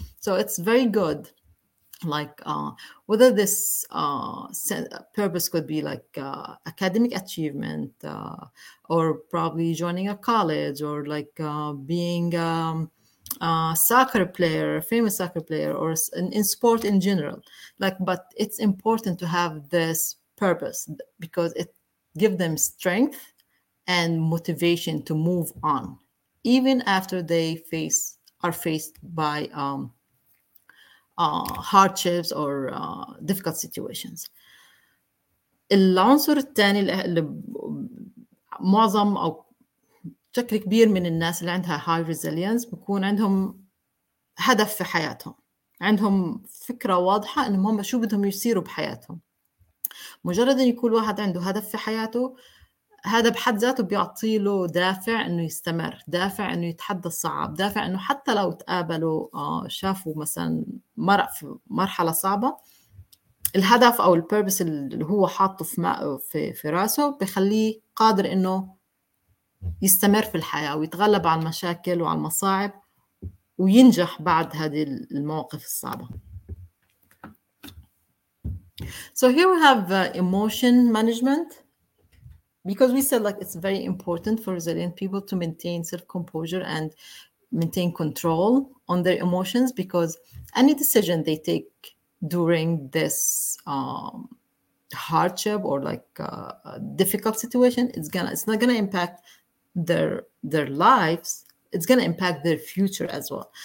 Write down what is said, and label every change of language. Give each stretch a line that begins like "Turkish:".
English: So it's very good, like whether this purpose could be like academic achievement or probably joining a college or like being soccer player, a famous soccer player, or in sport in general, but it's important to have this purpose because it gives them strength and motivation to move on, even after they are faced by hardships or difficult situations.
Arabic: العنصر الثاني اللي معظم أو بشكل كبير من الناس اللي عندها
English: high resilience
Arabic: بكون عندهم هدف في حياتهم, عندهم فكرة واضحة انهم هم شو بدهم يصيروا بحياتهم. مجرد ان يكون واحد عنده هدف في حياته, هذا بحد ذاته بيعطي له دافع انه يستمر, دافع انه يتحدى الصعب, دافع انه حتى لو تقابلوا شافوا مثلا مرق في مرحلة صعبة, الهدف او البيربس اللي هو حاطه في راسه بخليه قادر انه يستمر في الحياة ويتغلب على المشاكل وعلى المصاعب وينجح بعد هذه المواقف الصعبة.
English: So here we have emotion management, because we said like it's very important for resilient people to maintain self-composure and maintain control on their emotions, because any decision they take during this hardship or like a difficult situation, it's not gonna impact their lives, it's going to impact their future as well.